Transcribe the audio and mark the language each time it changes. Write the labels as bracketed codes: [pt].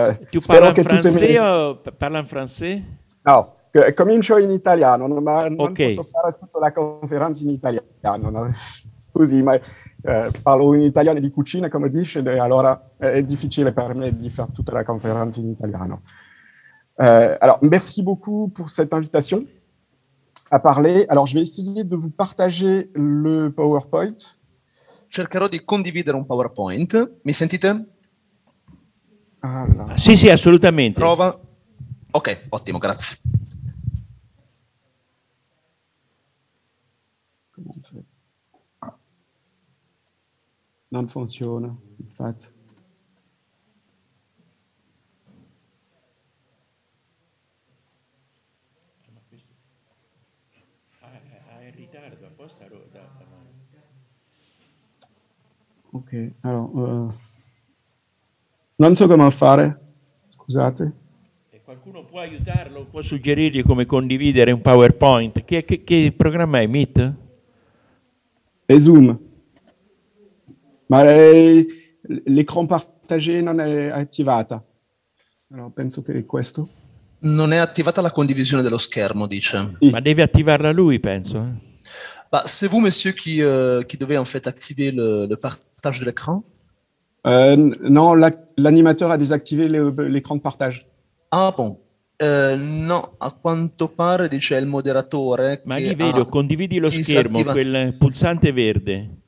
[it] Tu parli in francese o parli in francese? No, comincio in italiano, ma non okay. Posso fare tutta la conferenza in italiano. No? Scusi, ma parlo in italiano di cucina, come dice, allora è difficile per me di fare tutta la conferenza in italiano. [fr] Alors, merci beaucoup pour cette invitation à parler. Alors, je vais essayer de vous partager le PowerPoint. [it] Cercherò di condividere un PowerPoint. Mi sentite? Allora. Sì, sì, assolutamente. Prova. Ok, ottimo, grazie. Non funziona, infatti. Ok, allora, non so come fare, scusate. E qualcuno può aiutarlo, può suggerirgli come condividere un PowerPoint? Che programma è, Meet? È Zoom. Ma [fr] l'écran partagé [it] non è attivata. Allora, penso che è questo. Non è attivata la condivisione dello schermo, dice. Sì. Ma deve attivarla lui, penso. [fr] Bah, c'est vous, monsieur, qui devez en fait activer le partage de l'écran? Non, l'animateur a désactivé l'écran de partage. Ah bon? [it] Non, à quanto pare, dice il modératore. Ma li vedo, condividi lo schermo, quel pulsante verde.